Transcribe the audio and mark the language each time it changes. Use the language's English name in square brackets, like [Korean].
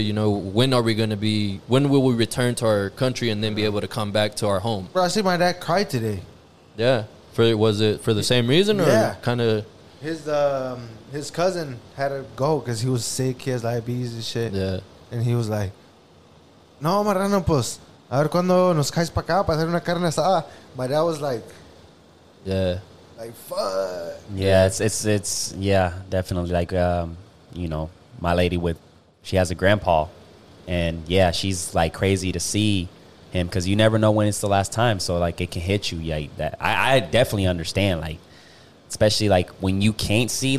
[English] You know, when will we return to our country and then be able to come back to our home? Bro, I see my dad cry today. Yeah. Was it for the same reason or kind of? His cousin had to go because he was sick. He has diabetes and shit. Yeah. And he was like, no, Marano, pues. [Spanish] A ver cuando nos caes para acá para hacer una carne asada. [English] My dad was like, yeah. Like, fuck. Yeah, it's yeah, definitely. Like, you know, my lady she has a grandpa. And, yeah, she's, like, crazy to see him because you never know when it's the last time. So, like, it can hit you. Yeah, that I definitely understand, like, especially, like, when you can't see.